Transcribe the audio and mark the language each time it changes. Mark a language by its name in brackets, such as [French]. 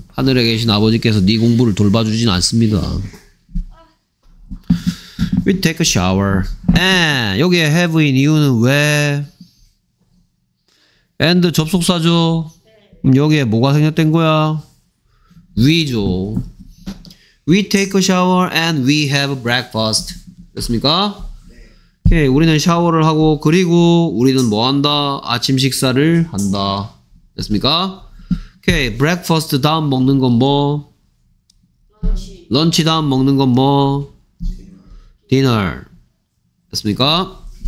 [Korean] 하늘에 계신 아버지께서 네 공부를 돌봐주진 않습니다. [English] we take a shower. and, [Korean] 여기에 have인 이유는 왜? and 접속사죠? 그럼 여기에 뭐가 생략된 거야? We죠. [English] We take a shower and we have breakfast. [Korean] 됐습니까? 네. 오케이. 우리는 샤워를 하고 그리고 우리는 뭐 한다? 아침 식사를 한다. 됐습니까? 오케이. Breakfast 다음 먹는 건 뭐? Lunch 다음 먹는 건 뭐? Dinner. 됐습니까?